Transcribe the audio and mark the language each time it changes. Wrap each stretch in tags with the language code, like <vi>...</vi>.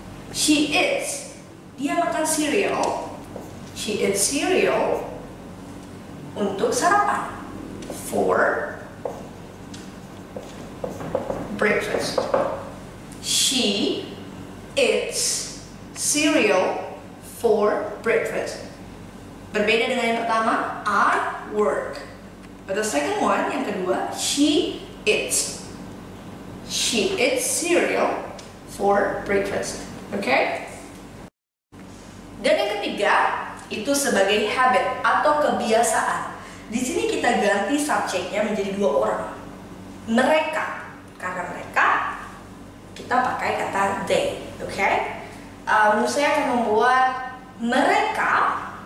<en>She eats,</en> <id>dia makan</id> <en>cereal, she eats cereal</en> <id>untuk sarapan.</id> <en>For breakfast, she eats cereal for breakfast.</en> <id>Berbeda dengan yang pertama,</id> <en>I work. But the second one,</en> <id>yang kedua,</id> <en>she eats. She eats cereal for breakfast.</en> <id>Oke? Dan yang ketiga, itu sebagai habit atau kebiasaan. Di sini kita ganti subjeknya menjadi dua orang. Mereka. Karena mereka, kita pakai kata they. Oke? Saya akan membuat mereka</id>